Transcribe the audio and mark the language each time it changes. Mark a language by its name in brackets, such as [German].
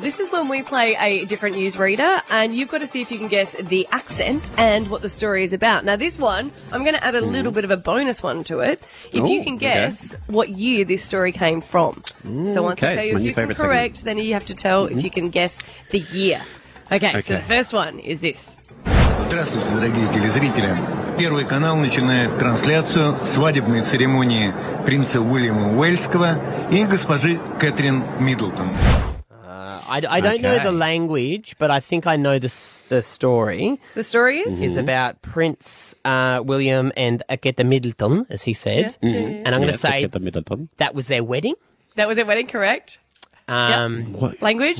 [English] This is when we play a different newsreader, and you've got to see if you can guess the accent and what the story is about. Now, this one, I'm going to add a little bit of a bonus one to it. If you can guess what year this story came from. So once I tell you if you can correct, then you have to tell if you can guess the year. Okay, so the first one is this. [Russian] Здравствуйте, дорогие телезрители. Первый канал начинает трансляцию свадебной церемонии принца Уильяма Уэльского и госпожи Кэтрин Миддлтон. [English] I don't know the language, but I think I know the story. The story is? It's about Prince William and Kate Middleton, as he said. Yeah. Mm-hmm. And I'm going to say that was their wedding. That was their wedding, correct? Yep. What, language?